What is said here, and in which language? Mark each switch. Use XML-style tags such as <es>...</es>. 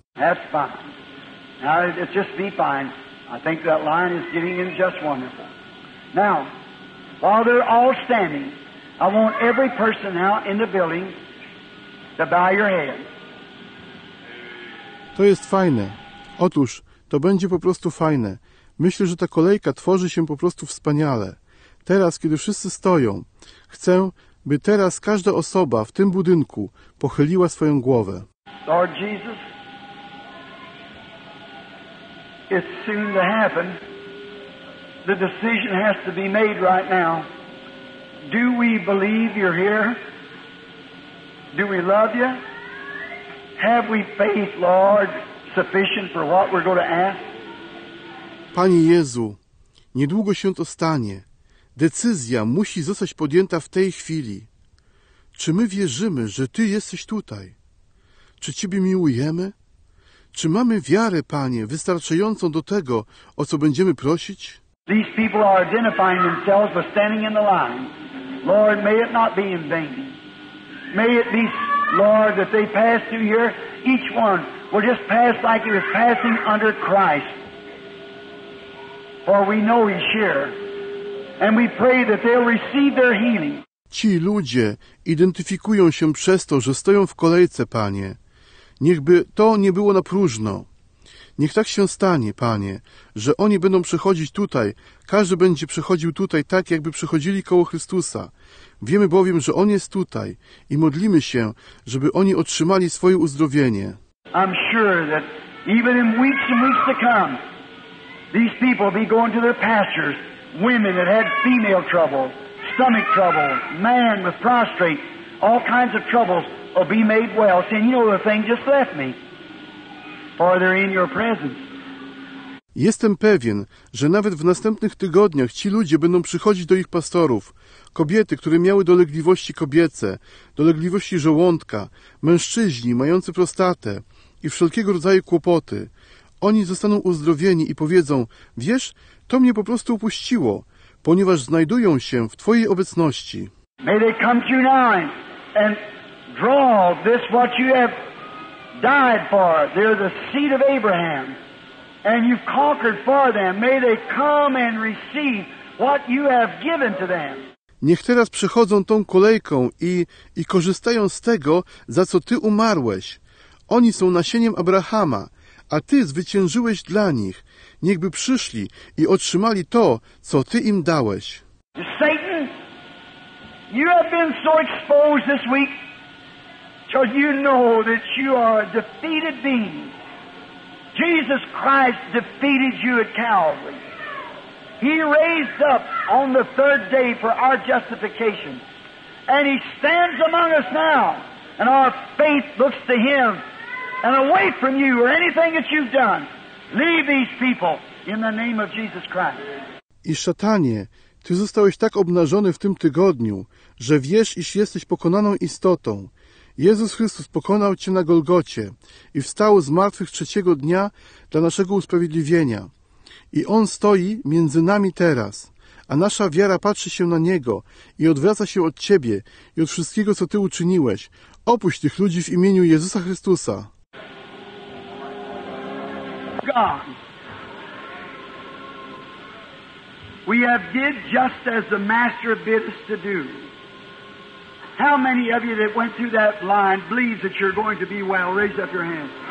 <en>That's fine. Now, it's just be fine. I think that line is getting in just wonderful. Now, while they're all standing, I want every person now in the building to bow your head.</en> <pl>To jest fajne. Otóż, to będzie po prostu fajne. Myślę, że ta kolejka tworzy się po prostu wspaniale. Teraz, kiedy wszyscy stoją, chcę, by teraz każda osoba w tym budynku pochyliła swoją głowę.</pl> <en>Lord Jesus, it's soon to happen. The decision has to be made right now. Do we believe you're here? Do we love you? Have we faith, Lord? Sufficient for what we're going to ask?</en> <pl>Panie Jezu, niedługo się to stanie. Decyzja musi zostać podjęta w tej chwili. Czy my wierzymy, że Ty jesteś tutaj? Czy Ciebie miłujemy? Czy mamy wiarę, Panie, wystarczającą do tego, o co będziemy prosić?</pl> <en>These people are identifying themselves with standing in the line. Lord, may it not be in vain. May it be, Lord, that they pass through here, each one. We'll just pass like he was passing under Christ. For we know he's here. And we pray that they'll receive their healing.</en> <pl>Ci ludzie identyfikują się przez to, że stoją w kolejce, Panie. Niechby to nie było na próżno. Niech tak się stanie, Panie, że oni będą przychodzić tutaj. Każdy będzie przychodził tutaj tak, jakby przychodzili koło Chrystusa. Wiemy bowiem, że On jest tutaj i modlimy się, żeby oni otrzymali swoje uzdrowienie.</pl> <en>I'm sure that even in weeks and weeks to come, these people will be going to their pastors, women that had female trouble, stomach trouble, man with prostate, all kinds of troubles will be made well, saying, you know, the thing just left me, for they're in your presence.</en> <pl>Jestem pewien, że nawet w następnych tygodniach ci ludzie będą przychodzić do ich pastorów. Kobiety, które miały dolegliwości kobiece, dolegliwości żołądka, mężczyźni mający prostatę i wszelkiego rodzaju kłopoty. Oni zostaną uzdrowieni i powiedzą, wiesz, to mnie po prostu upuściło, ponieważ znajdują się w Twojej obecności.</pl> <en>May they come to you now and draw this what you have died for. They're the seed of Abraham. And you've conquered for them. May they come and receive what you have given to them.</en> <pl>Niech teraz przychodzą tą kolejką i korzystają z tego, za co Ty umarłeś. Oni są nasieniem Abrahama, a Ty zwyciężyłeś dla nich. Niechby przyszli i otrzymali to, co Ty im dałeś.</pl> <en>Satan, you have been so exposed this week, because you know that you are a defeated being. Jesus Christ defeated you at Calvary. He raised up on the third day for our justification. And he stands among us now. And our faith looks to him. And away from you or anything that you've done, leave these people in the name of Jesus Christ.</en> <pl>I szatanie, ty zostałeś tak obnażony w tym tygodniu, że wiesz, iż jesteś pokonaną istotą. Jezus Chrystus pokonał Cię na Golgocie i wstał z martwych trzeciego dnia dla naszego usprawiedliwienia. I On stoi między nami teraz, a nasza wiara patrzy się na Niego i odwraca się od Ciebie i od wszystkiego, co Ty uczyniłeś. Opuść tych ludzi w imieniu Jezusa Chrystusa.</pl> <en>God, we have did just as the Master bid us to do. How many of you that went through that line believes that you're going to be well? Raise up your hand.</en>